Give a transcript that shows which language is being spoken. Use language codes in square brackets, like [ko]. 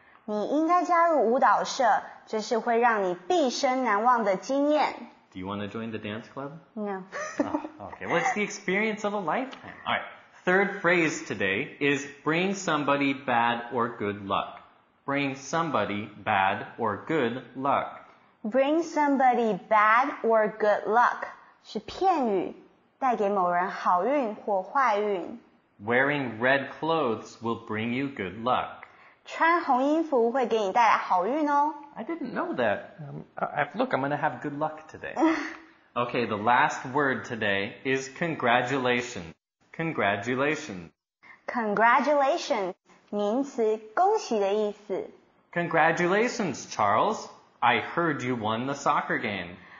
[zh] 你应该加入舞蹈社，这是会让你毕生难忘的经验。 [en] Do you want to join the dance club? No. Okay, well, it's the experience of a lifetime. All right, third phrase today is bring somebody bad or good luck. Bring somebody bad or good luck. Bring somebody bad or good luck [zh] 是片语，带给某人好运或坏运。 [en] Wearing red clothes will bring you good luck. [zh] 穿红衣服会给你带来好运哦。 [en] I didn't know that. Look, I'm going to have good luck today. Okay, the last word today is congratulations. Congratulations. [zh] Congratulations, 名词恭喜的意思。 [en] Congratulations, Charles. I heard you won the soccer game.